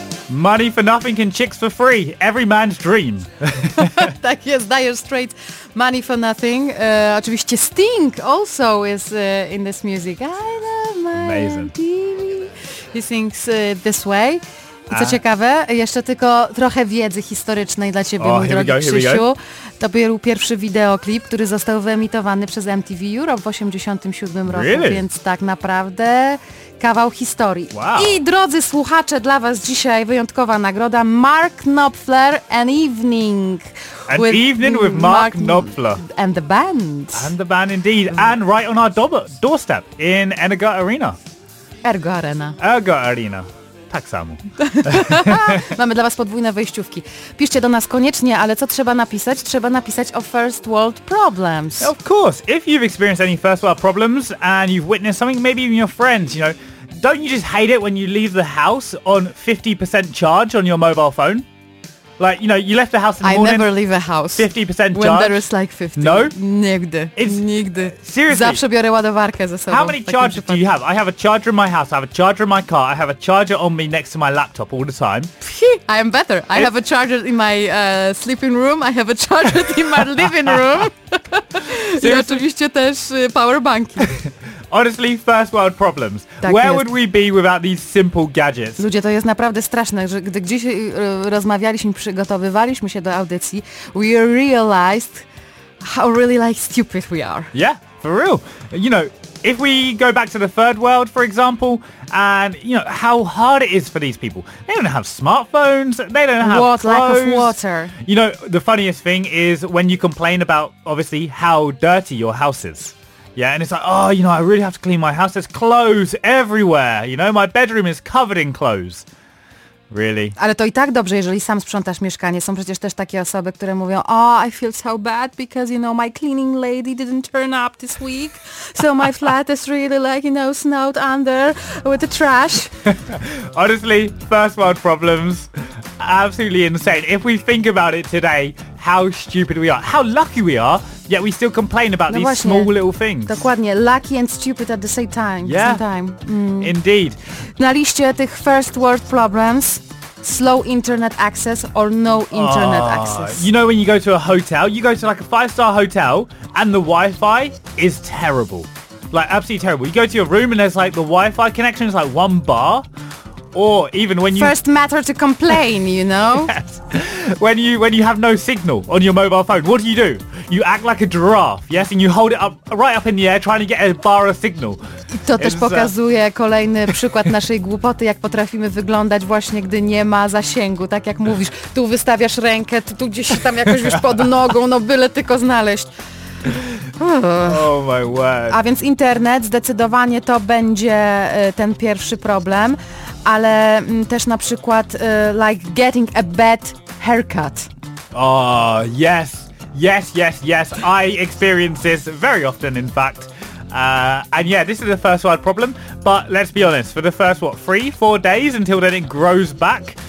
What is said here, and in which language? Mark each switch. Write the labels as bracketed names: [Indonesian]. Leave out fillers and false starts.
[English] Money for nothing and chicks for free. Every man's dream. [Polish] Tak jest, Dire Straits, Money for Nothing. Oczywiście [English] Sting also is in this music. I love my Amazing. TV. He sings this way. [Polish] I co ciekawe, jeszcze tylko trochę wiedzy historycznej dla ciebie, mój drogi Krzysiu. To był pierwszy wideoklip, który został wyemitowany przez MTV Europe w 1987 roku, [English] really? [Polish] Więc tak naprawdę kawał historii. [English] Wow. [Polish] I drodzy słuchacze, dla was dzisiaj wyjątkowa nagroda. [English] Mark Knopfler, An Evening. An Evening with Mark Knopfler. And the band. And the band indeed. And right on our doorstep in Ergo Arena. Ergo Arena. [Polish] Tak samo. Mamy dla was podwójne wejściówki. Piszcie do nas koniecznie, ale co trzeba napisać? Trzeba napisać o first world problems. [English] Of course. If you've experienced any first world problems and you've witnessed something, maybe even your friends, you know, don't you just hate it when you leave the house on 50% charge on your mobile phone? Like, you know, you left the house in the morning. I never leave a house. 50% charge. When there is like 50. No? [Polish] Nigdy. It's, nigdy. [English] Seriously. [Polish] Zawsze biorę ładowarkę ze sobą. [English] How many chargers do you have? I have a charger in my house. I have a charger in my car. I have a charger on me next to my laptop all the time. I am better. I have a charger in my sleeping room. I have a charger in my living room. [Polish] I oczywiście też power banki. [English] Honestly, first world problems. [Polish] Tak [English] Where [Polish] jest. [English] Would we be without these simple gadgets? [Polish] Ludzie, to jest naprawdę straszne, że gdy gdzieś rozmawialiśmy, przygotowywaliśmy się do audycji, [English] we realized how really like stupid we are. Yeah, for real. You know, if we go back to the third world, for example, and you know how hard it is for these people. They don't have smartphones, they don't have clothes. lack of water. You know, the funniest thing is when you complain about, obviously, how dirty your house is. Yeah, and it's like, oh, you know, I really have to clean my house. There's clothes everywhere. You know, my bedroom is covered in clothes. Really. [Polish] Ale to i tak dobrze, jeżeli sam sprzątasz mieszkanie. Są przecież też takie osoby, które mówią, [English] oh, I feel so bad because, you know, my cleaning lady didn't turn up this week. So my flat is really like, you know, snowed under with the trash. Honestly, first world problems. Absolutely insane. If we think about it today, how stupid we are. How lucky we are. Yet we still complain about no these [Polish] właśnie, [English] small little things. [Polish] Dokładnie, [English] lucky and stupid at the same time. Yeah, same time. Mm. Indeed. [Polish] Na liście tych [English] first world problems, slow internet access or no internet access. You know when you go to a hotel, you go to like a 5-star hotel and the Wi-Fi is terrible. Like absolutely terrible. You go to your room and there's like the Wi-Fi connection is like 1 bar. Or even when you... First matter to complain, you know? Yes. When you have no signal on your mobile phone, what do? You act like a giraffe, yes? And you hold it up, right up in the air, trying to get a bar of signal. [Polish] I to też pokazuje kolejny przykład naszej głupoty, jak potrafimy wyglądać właśnie, gdy nie ma zasięgu. Tak jak mówisz, tu wystawiasz rękę, tu gdzieś tam jakoś już pod nogą, no byle tylko znaleźć. [English] Oh my word. [Polish] A więc internet, zdecydowanie to będzie ten pierwszy problem. Ale też na przykład [English] like getting a bad haircut. Oh, yes, yes, yes, yes. I experience this very often, in fact. And yeah, this is the first world problem. But let's be honest, for the first, what, 3-4 days until then it grows back?